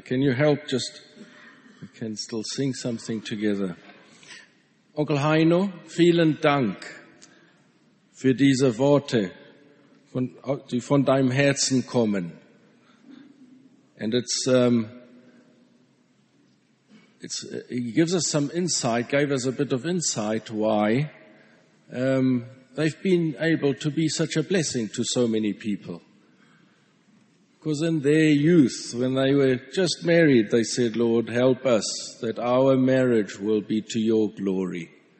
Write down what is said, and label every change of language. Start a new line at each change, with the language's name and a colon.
English: Can you help just, we can still sing something together.
German: Onkel Heino, vielen Dank für diese Worte, die von deinem Herzen kommen.
English: And it gave us a bit of insight why they've been able to be such a blessing to so many people. Because in their youth, when they were just married, they said, Lord, help us that our marriage will be to your glory.